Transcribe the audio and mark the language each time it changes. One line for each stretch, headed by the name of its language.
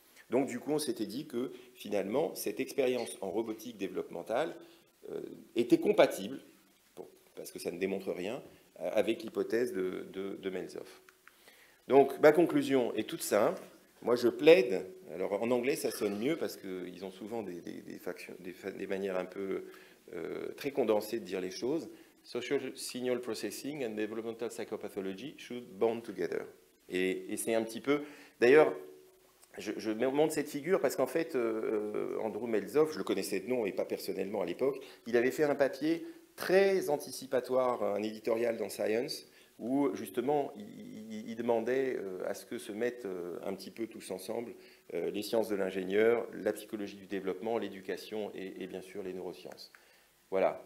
French: Donc du coup, on s'était dit que finalement, cette expérience en robotique développementale était compatible, bon, parce que ça ne démontre rien, avec l'hypothèse de Melzoff. Donc, ma conclusion est toute simple. Moi, je plaide. Alors, en anglais, ça sonne mieux parce qu'ils ont souvent des manières un peu très condensées de dire les choses.
English: Social signal processing and developmental psychopathology should bond together.
French: Et c'est un petit peu... D'ailleurs, je montre cette figure parce qu'en fait, Andrew Melzoff, je le connaissais de nom et pas personnellement à l'époque, il avait fait un papier très anticipatoire, un éditorial dans Science, où justement, il demandait à ce que se mettent un petit peu tous ensemble les sciences de l'ingénieur, la psychologie du développement, l'éducation et bien sûr les neurosciences. Voilà.